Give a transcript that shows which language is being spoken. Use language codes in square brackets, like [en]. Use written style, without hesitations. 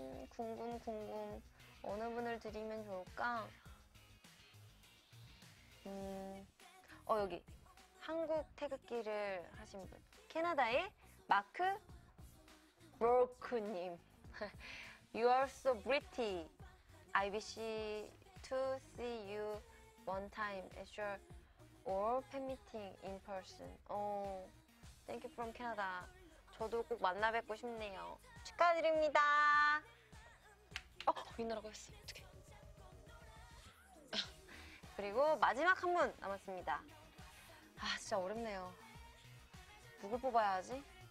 [ko] 궁금 어느 분을 드리면 좋을까? 여기 한국 태극기를 하신 분, 캐나다의 마크 브로크님. [en] You are so pretty. I wish to see you one time at your or fan meeting in person. Thank you from Canada. [ko] 저도 꼭 만나 뵙고 싶네요. 축하드립니다. 윈너라고 했어. 어떡해. 그리고 마지막 한 분 남았습니다. 진짜 어렵네요. 누굴 뽑아야 하지?